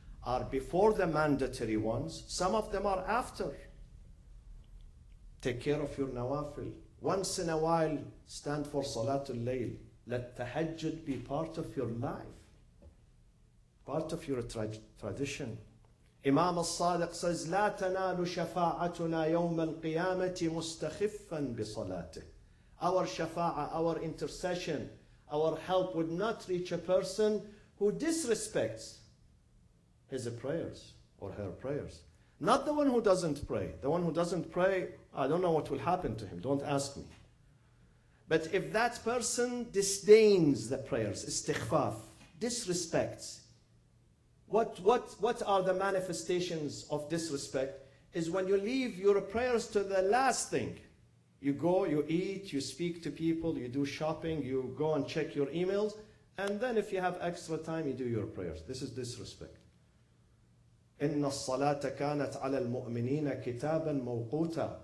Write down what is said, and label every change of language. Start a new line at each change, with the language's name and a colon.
English: Are before the mandatory ones. Some of them are after. Take care of your nawafil. Once in a while, stand for Salatul Layl. Let tahajjud be part of your life, part of your tradition. Imam al-Sadiq says,
Arabic: لا تنال شفاعتنا يوم القيامة مستخفا بصلاته.
English: Our shafa'ah, our intercession, our help would not reach a person who disrespects his prayers or her prayers. Not the one who doesn't pray. The one who doesn't pray, I don't know what will happen to him. Don't ask me. But if that person disdains the prayers, istighfaf, disrespects, what are the manifestations of disrespect? Is when you leave your prayers to the last thing. You go, you eat, you speak to people, you do shopping, you go and check your emails, and then if you have extra time, you do your prayers. This is disrespect.
Arabic: إن الصلاة كانت على المؤمنين كتابا موقوتا.